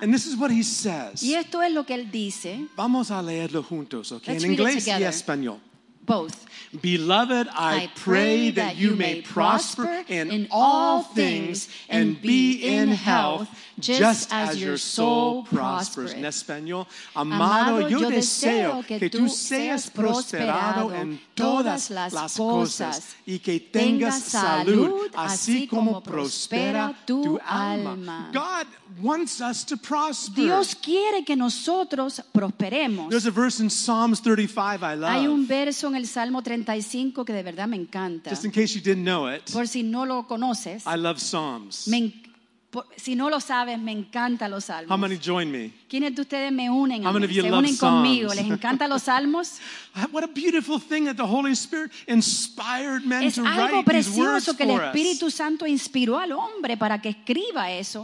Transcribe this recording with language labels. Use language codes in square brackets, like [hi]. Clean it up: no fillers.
[en] And this is what he says. [es] Y esto es lo que él dice. Vamos a leerlo juntos, okay? [en] Let's [es] in inglés y español. [en] Both. Beloved, I pray that you may prosper in all things and be in health just as your soul prospers. [es] En español, amado, yo deseo que tú seas prosperado en todas las cosas y que tengas salud así como prospera tu alma. [en] God wants us to prosper. [es] Dios quiere que nosotros prosperemos. [en] There's a verse in Psalms 35 I love. [es] Hay un verso en el Salmo 35 que de verdad me encanta. [en] Just in case you didn't know it. [es] Por si no lo conoces. [en] I love Psalms. [es] Si no lo sabes, me encantan los salmos. [en] How many join me? [es] ¿Quiénes de ustedes me unen? [en] How many of you [es] se unen conmigo? ¿Les encantan los salmos? [en] What a beautiful thing that the Holy Spirit inspired men [es] es [en] to write these words for us. [es] Es algo precioso que el Espíritu Santo inspiró al hombre para que escriba eso.